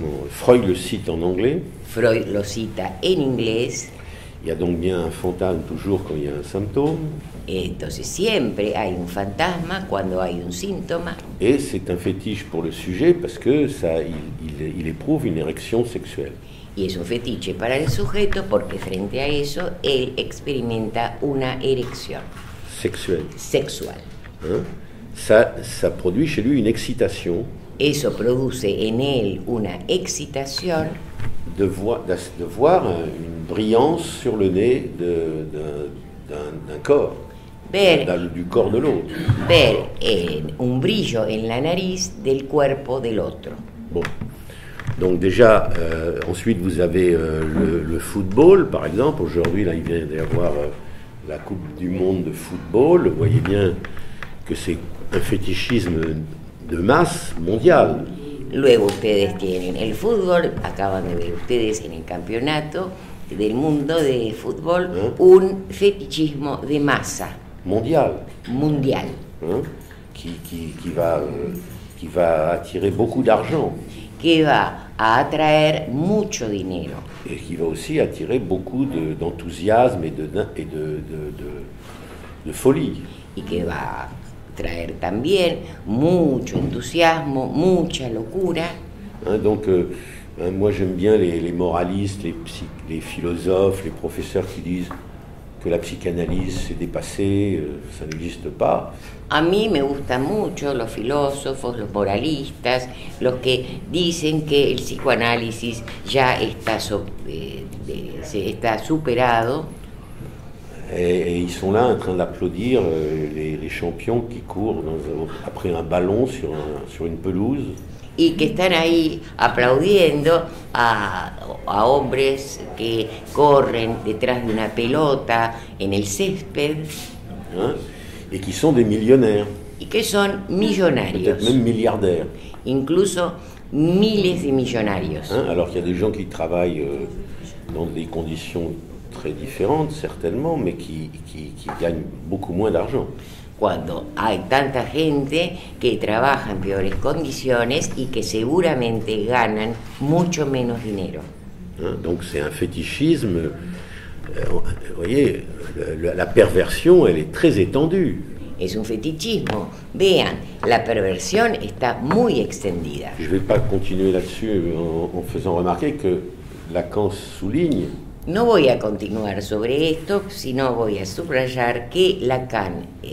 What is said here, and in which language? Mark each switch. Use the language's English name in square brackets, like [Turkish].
[French] Freud le cite en anglais. [Spanish] Freud lo cita en inglés. [French] Il y a donc bien un fantasme toujours quand il y a un symptôme. [Spanish] Entonces siempre hay un fantasma cuando hay un síntoma. [French] Et c'est un fétiche pour le sujet parce que ça, il éprouve une érection sexuelle. [Spanish] Y es un fétiche para el sujeto porque frente a eso él experimenta una erección [French] sexuelle. [Spanish] Sexual. Hein? [French] Ça produit chez lui une excitation. [Spanish] Eso produce en él una excitación. [French] De voir une brillance sur le nez d'un corps, du corps de l'autre. [Spanish] Ver un brillo en la nariz del cuerpo del otro. [French] Bon. Donc déjà, ensuite vous avez le football, par exemple. Aujourd'hui, là, il vient d'y avoir la Coupe du Monde de football. Vous voyez bien que c'est un fétichisme de masse mondiale. [Spanish] Luego ustedes tienen el fútbol, acaban de ver ustedes en el campeonato del mundo de fútbol, ¿eh? Un fetichismo de masa. Mundial. ¿Eh? [French] Qui va attirer beaucoup d'argent. [Spanish] Que va a atraer mucho dinero. [French] Y qui va aussi attirer beaucoup d'enthousiasme et de folie. [Spanish] Y que va traer también mucho entusiasmo, mucha locura. [French] Hein, moi j'aime bien les moralistes, les philosophes, les professeurs qui disent que la psychanalyse s'est dépassée, ça n'existe pas. [Spanish] A mí me gustan mucho los filósofos, los moralistas, los que dicen que el psicoanálisis ya está superado. [French] Et ils sont là en train d'applaudir les champions qui courent après un ballon sur une pelouse. Et qui sont là [Spanish] applaudiendo [French] à [Spanish] hombres [French] qui courent [Spanish] detrás de una pelota en el césped. [French] hein, et qui sont des millionnaires. [Spanish] Y que son millonarios. [French] Peut-être même milliardaires. [Spanish] Incluso miles de millonarios. [French] Hein, alors qu'il y a des gens qui travaillent dans des conditions très différentes, certainement, mais qui gagnent beaucoup moins d'argent. [Spanish] Cuando hay tanta gente que trabaja en peores condiciones y que seguramente ganan mucho menos dinero. [French] Hein, donc c'est un fétichisme. Vous voyez, la perversion, elle est très étendue. [Spanish] Es un fetichismo. Vean, la perversión está muy extendida. [French] Je ne vais pas continuer là-dessus en faisant remarquer que Lacan souligne. [Spanish] No voy a continuar sobre esto, sino voy a subrayar que Lacan